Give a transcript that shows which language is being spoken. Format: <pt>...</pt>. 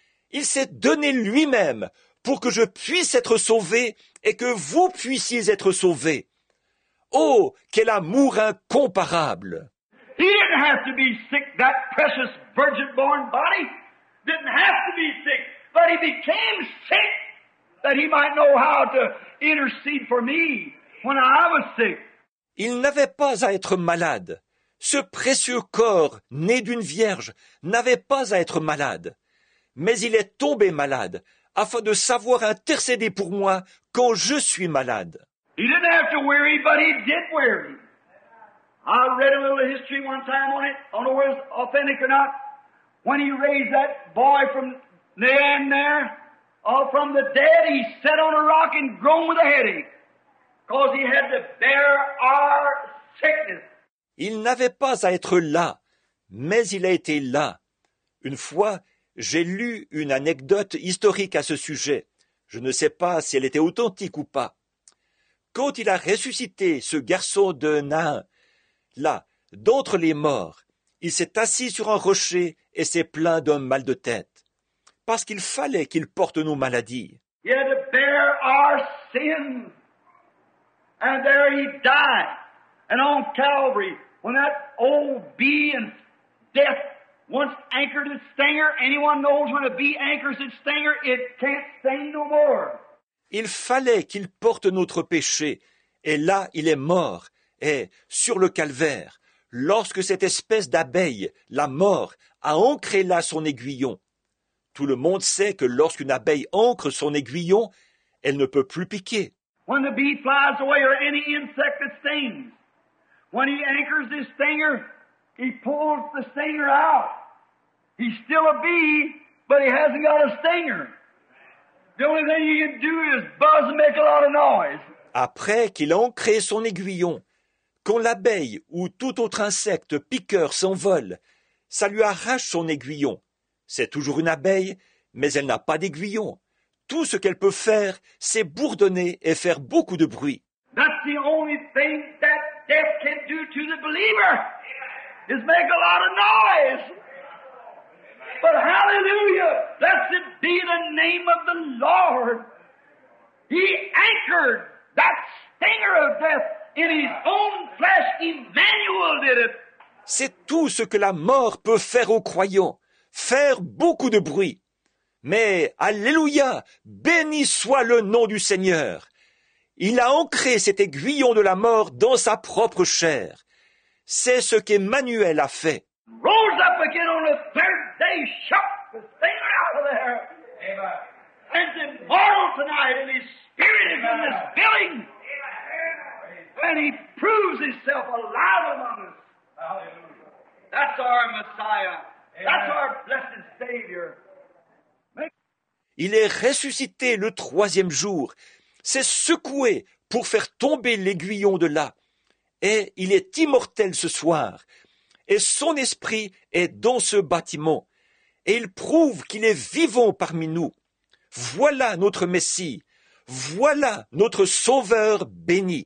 <fr>Il s'est donné lui-même pour que je puisse être sauvé et que vous puissiez être sauvés. Oh, quel amour incomparable!</fr> <en>He didn't have to be sick, that precious virgin-born body. Didn't have to be sick, but he became sick that he might know how to intercede for me when I was sick.</en> <fr>Il n'avait pas à être malade. Ce précieux corps, né d'une vierge, n'avait pas à être malade. Mais il est tombé malade, afin de savoir intercéder pour moi quand je suis malade.</fr> <en>He didn't have to weary, but he did weary. I read a little history one time on it, I don't know whether it's authentic or not, when he raised that boy from Nain there, from the dead, he sat on a rock and groaned with a headache, because he had to bear our sickness.</en> <fr>Il n'avait pas à être là, mais il a été là. Une fois, j'ai lu une anecdote historique à ce sujet. Je ne sais pas si elle était authentique ou pas. Quand il a ressuscité ce garçon de Nain, là, d'entre les morts, il s'est assis sur un rocher et s'est plaint d'un mal de tête, parce qu'il fallait qu'il porte nos maladies.</fr> <en>He had to bear our sin. And there he died. And on Calvary, when that old bee and death once anchored its stinger, anyone knows when a bee anchors its stinger, it can't sting no more.</en> <fr>Il fallait qu'il porte notre péché, et là il est mort, et sur le calvaire, lorsque cette espèce d'abeille, la mort, a ancré là son aiguillon. Tout le monde sait que lorsqu'une abeille ancre son aiguillon, elle ne peut plus piquer.</fr> <en>When the bee flies away or any insect that stings, when he anchors his stinger, he pulls the stinger out. He's still a bee, but he hasn't got a stinger. The only thing you can do is buzz and make a lot of noise.</en> <fr>Après qu'il a ancré son aiguillon, quand l'abeille ou tout autre insecte piqueur s'envole, ça lui arrache son aiguillon. C'est toujours une abeille, mais elle n'a pas d'aiguillon. Tout ce qu'elle peut faire, c'est bourdonner et faire beaucoup de bruit.</fr> <en>That's the only thing that death can do to the believer is make a lot of noise. But hallelujah, blessed be the name of the Lord. He anchored that stinger of death in his own flesh. Emmanuel did it.</en> <fr>C'est tout ce que la mort peut faire aux croyants, faire beaucoup de bruit. Mais alléluia, béni soit le nom du Seigneur. Il a ancré cet aiguillon de la mort dans sa propre chair. C'est ce qu'Emmanuel a fait.</fr> <en>Rose up again on the third day, shook the thing out of there. Amen. And tomorrow tonight, and his spirit is in this building. Amen. And he proves himself alive among us. Hallelujah. That's our Messiah. Amen. That's our blessed Savior.</en> <fr>Il est ressuscité le troisième jour, s'est secoué pour faire tomber l'aiguillon de là. Et il est immortel ce soir. Et son esprit est dans ce bâtiment. Et il prouve qu'il est vivant parmi nous. Voilà notre Messie. Voilà notre Sauveur béni.</fr>